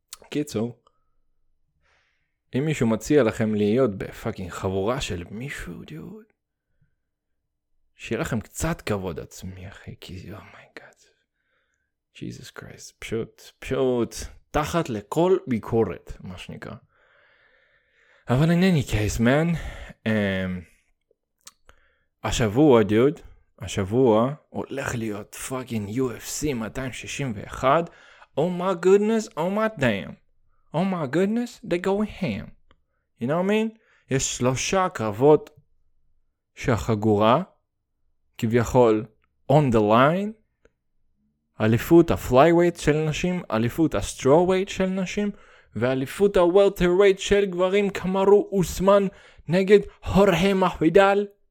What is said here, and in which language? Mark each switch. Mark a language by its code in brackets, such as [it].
[he] קיצור, אם מישהו מציע לכם להיות בפאקינג חבורה של מישהו, דוד, שיהיה לכם קצת כבוד עצמי אחי, כי זה, [en] oh my god, Jesus Christ. [he] פשוט, פשוט, תחת לכל ביקורת, מה שנקרא. אבל [en] in any case, man, [he] השבוע, dude, השבוע הולך להיות [en] fucking UFC 261. Oh my goodness, oh my damn. Oh my goodness, they go ham. You know what I mean? [he] יש שלושה קרבות שהחגורה, כביכול, [en] on the line, [he] אליפות הפלייווייט של נשים, אליפות הסטרווייט של נשים, ואליפות הוולטרווייט של גברים, כמרו אוסמן, נגד הורהי מחוידל.